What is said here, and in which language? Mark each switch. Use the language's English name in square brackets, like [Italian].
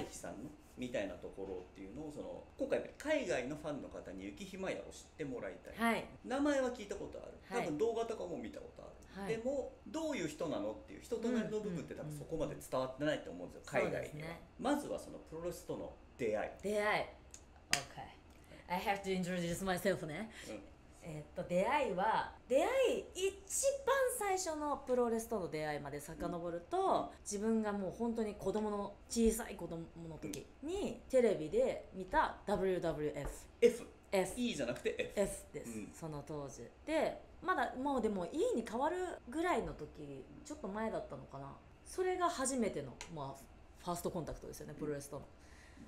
[Japanese] ゆきさんのみたいなところっていうのを、その今回やっぱり海外のファンの方にゆきひまやを知ってもらいたい、はい、名前は聞いたことある、はい、多分動画とかも見たことある、はい、でもどういう人なのっていう人となりの部分って多分そこまで伝わってないと思うんですよ、うんうんうん、海外には、ね、まずはそのプロレスとの出会い、出会い、 [English] OK、 I have to introduce myself ね、 [Japanese] うん、出会いは、出会い一番最初のプロレスとの出会いまで遡ると、うん、自分がもう本当に子供の、小さい子供の時にテレビで見た WWF、うん、 F E じゃなくて F です、うん、その当時で、まだもうでも E に変わるぐらいの時、ちょっと前だったのかな、それが初めての、まあ、ファーストコンタクトですよね、プロレスとの、うん、